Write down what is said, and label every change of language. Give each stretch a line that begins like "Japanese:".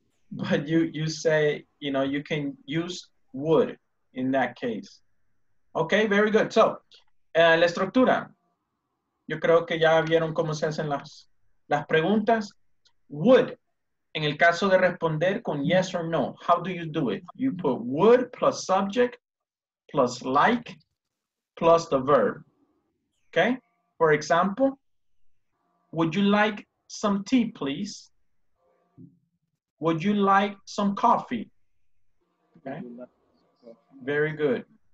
English: But you say, you know, you can use would in that case. Okay, very good.
Spanish: So, la estructura. Yo creo que ya vieron cómo se hacen las preguntas.
English: Would, en el caso de responder con yes or no, how do you do it? You put would plus subject plus like plus the verb. Okay? For example, would you like some tea, please? Would you like some coffee? Okay? Very good.